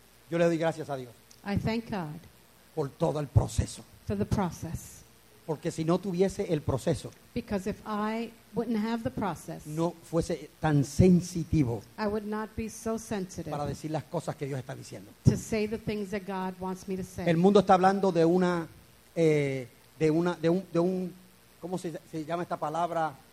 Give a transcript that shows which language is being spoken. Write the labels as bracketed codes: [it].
[es] Yo le doy gracias a Dios. [en] I thank God. [es] Por todo el proceso. [en] For the process. [es] Porque si no tuviese el proceso. [en] Because if I wouldn't have the process. [es] No fuese tan sensitivo. [en] I would not be so sensitive. [es] Para decir las cosas que Dios está diciendo. [en] To say the things that God wants me to say. [es] El mundo está hablando de una, de un, ¿cómo se llama esta palabra?